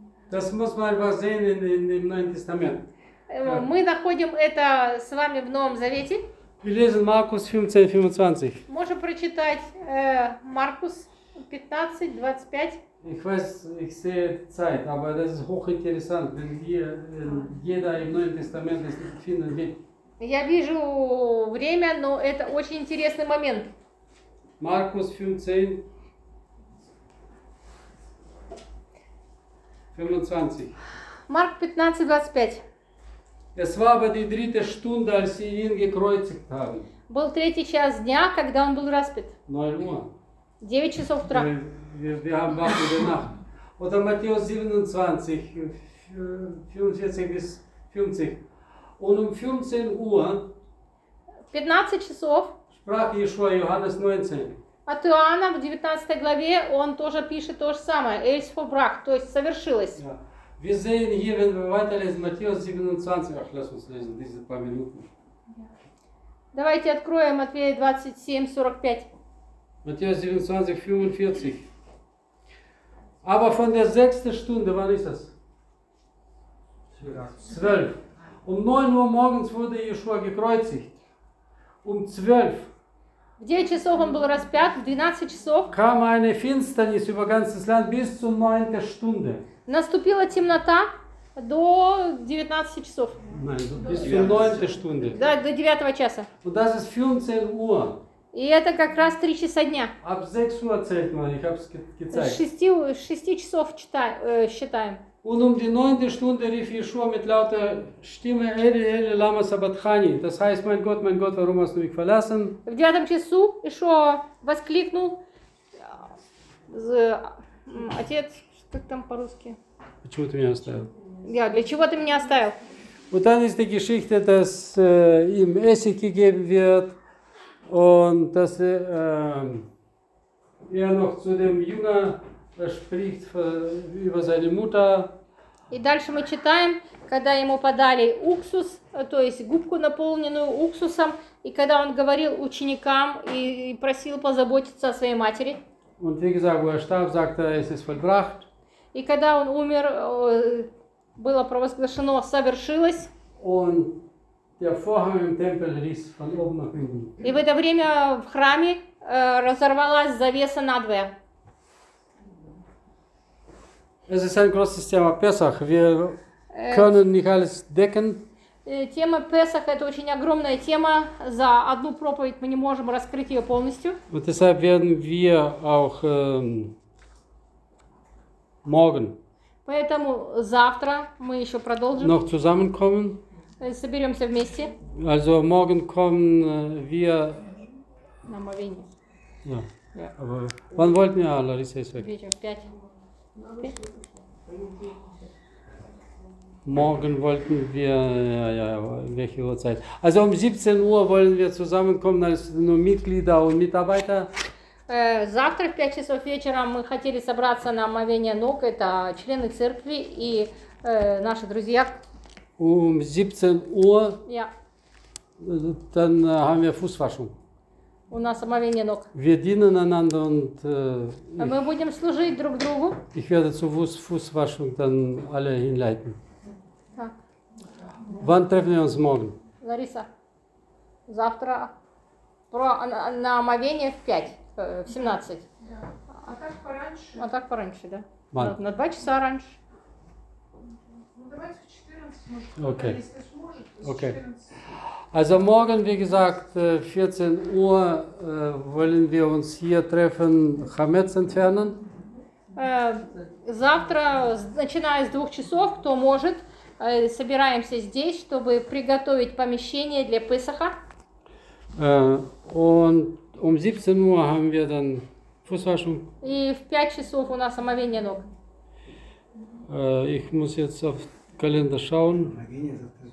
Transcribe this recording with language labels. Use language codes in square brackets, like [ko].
[de] Das muss man mal sehen im Neuen Testament. [ru] Мы находим это с вами в Новом Завете. [de] Wir lesen Markus 15:25. [ru] Можем прочитать Markus 15:25. [de] Ich weiß, ich sehe Zeit, aber das ist hochinteressant, wenn wir jeder im Neuen Testament das finden wird. [ru] Я вижу время, но это очень интересный момент. [de] Markus 15. 25. [ru] Марк 15:25. [de] Es war aber die dritte Stunde, als sie ihn gekreuzigt haben. [ru] Был третий час дня, когда он был распят. 9 часов утра. [de] Wir haben wach in der Nacht. Oder Matthäus 27:45-50. Und 15 Uhr. [ru] 15 часов. [de] Sprach Jeschua Johannes 19. [ru] От Иоанна в 19 главе он тоже пишет то же самое. Эльс фобрах, то есть совершилось. [en] Yeah. [de] Wir sehen hier, wenn wir weiter lesen, Matthäus 27. Ach, lass uns lesen, diese paar Minuten. [ru] Давайте откроем Матфея 27:45. Матфея 27:45. [de] Aber von der sechsten Stunde, wann ist das? 12. Um 9 Uhr morgens wurde Jeschua gekreuzigt. Um 12. [ru] В 9 часов он был распят, в 12 часов. [de] Kam eine Finsternis über ganzes Land bis zur 9. Stunde. [ru] Наступила темнота. До 19 часов. Да, до 9 часа. [de] Und das ist 15 Uhr. [ru] И это как раз 3 часа дня. [de] Ab 6 Uhr zählt man, ich hab's gezeigt. [ru] 6 часов считаем. [de] Und die 9. Stunde rief Jeschua mit lauter Stimme, [arc] Eli, Eli, lama sabachthani. [de] Das heißt, mein Gott, warum hast du mich verlassen? [ru] В 9 часу Jeschua воскликнул. Отец, как там по-русски? Почему ты меня оставил? Ja, для чего ты меня оставил? [de] Und dann ist die Geschichte, dass ihm Essig gegeben wird und dass er noch zu dem Jünger spricht über seine Mutter. [ru] И дальше мы читаем, когда ему подали уксус, то есть губку, наполненную уксусом, и когда он говорил ученикам и просил позаботиться о своей матери. [de] Und wie gesagt, wo er starb, sagte er, es ist vollbracht. [ru] И когда он умер, было провозглашено, совершилось. И в это время в храме разорвалась завеса надвое. Это очень большая тема Песах. Мы не можем не [de] alles decken. [ru] Тема Песах – это очень огромная тема. За одну проповедь мы не можем раскрыть ее полностью. Вот [de] deshalb werden wir auch morgen. [ru] Поэтому завтра мы еще продолжим. [de] Noch zusammenkommen. [ru] Соберемся вместе. [de] Also morgen kommen wir. [ru] На мовение. [de] Ja. Wann wollten wir, Larissa, ist weg. [ru] Вечер, 5. [de] Morgen wollten wir, welche Uhrzeit? Also 17 Uhr wollen wir zusammenkommen, als nur Mitglieder und Mitarbeiter. [ru] Завтра в 5 часов вечера мы хотели собраться на омовение ног, это члены церкви и наши друзья. [de] 17 Uhr. Ja. Dann haben wir Fußwaschung. [ru] У нас омовение ног. [de] Wir dienen einander und, [ru] мы будем служить друг другу. [de] Ich werde zur Fußwaschung dann alle hinleiten. Wann treffen wir uns morgen? [ru] Лариса, завтра на омовение в 5. В 17. Да. А так пораньше. А так пораньше, да. На 2 часа раньше. Ну, давайте в 14, может, okay. Если сможет, то [en] okay. [de] Also morgen, wie gesagt, 14 Uhr wollen wir uns hier treffen, Хамец entfernen. [ru] Завтра, начиная с 2 часов, кто может, собираемся здесь, чтобы приготовить помещение для Песаха. [de] Und 17 Uhr haben wir dann Fußwaschung. [ru] И в 5 часов у нас омовение ног. [de] Ich muss jetzt auf den Kalender schauen.